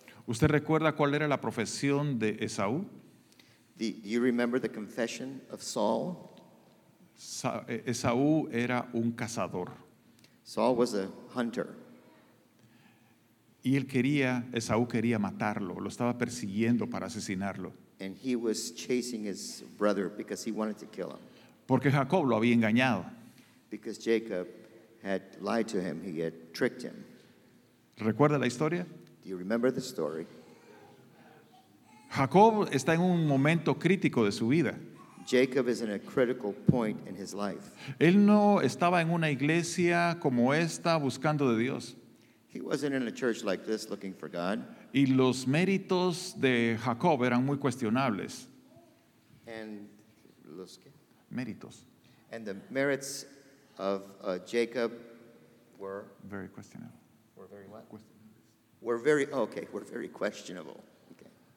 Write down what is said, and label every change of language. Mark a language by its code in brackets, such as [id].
[es] ¿Usted recuerda cuál era la profesión de Esaú? [en] Do you remember the confession of Saul? [es] Esaú era un cazador. [en] Saul was a hunter. [es] Y Esaú quería matarlo, lo estaba persiguiendo para asesinarlo. [en] And he was chasing his brother because he wanted to kill him. [es] Porque Jacob lo había engañado. [en] Because Jacob had lied to him, he had tricked him. [es] ¿Recuerda la historia? [en] Do you remember the story? [es] Jacob está en un momento crítico de su vida. [en] Jacob is in a critical point in his life. [es] Él no estaba en una iglesia como esta buscando de Dios. [en] He wasn't in a church like this looking for God. [es] Y los méritos de Jacob eran muy cuestionables. [en] And [es] los qué? Méritos. [en] And the merits of Jacob were very questionable. Were very what? Questionable. Were very okay. Were very questionable. Okay.